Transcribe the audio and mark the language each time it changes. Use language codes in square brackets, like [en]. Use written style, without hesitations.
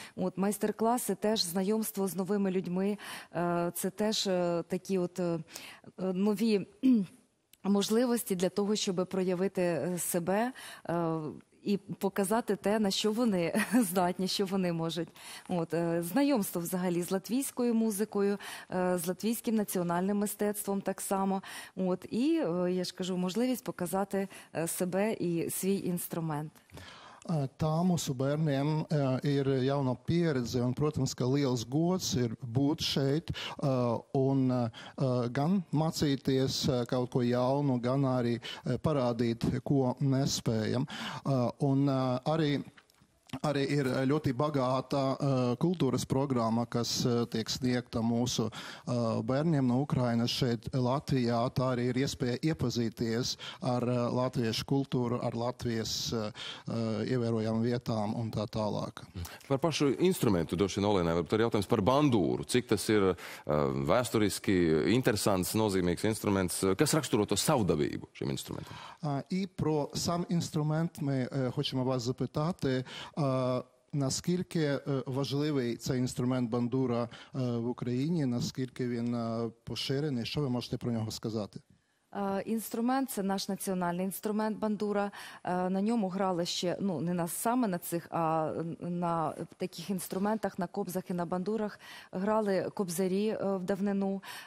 [uk] От майстер-класи, теж знайомство з новими людьми, це теж такі от нові можливості для того, щоб проявити себе і показати те, на що вони здатні, що вони можуть. От знайомство взагалі з латвійською музикою, з латвійським національним мистецтвом так само. От і, я ж кажу, можливість показати себе і свій інструмент. [lv] Tā mūsu bērniem ir jauna pieredze, un, protams, ka liels gods ir būt šeit un gan mācīties kaut ko jaunu, gan arī parādīt, ko nespējam. Un arī ir ļoti bagāta kultūras programma, kas tiek sniegta mūsu bērniem no Ukrainas šeit Latvijā. Tā arī ir iespēja iepazīties ar latviešu kultūru, ar Latvijas ievērojām vietām un tā tālāk. Par pašu instrumentu, droši vien, Olenai, varbūt arī jautājums par bandūru. Cik tas ir vēsturiski interesants, nozīmīgs instruments? Kas raksturo to savdabību šim instrumentam? I pro sam instrument mēs hoćemo vas zapytati, [uk] наскільки важливий цей інструмент бандура в Україні, наскільки він поширений, що ви можете про нього сказати? Інструмент – це наш національний інструмент бандура. На ньому грали ще, ну, не на саме на цих, а на таких інструментах, на кобзах і на бандурах, грали кобзарі в давнину.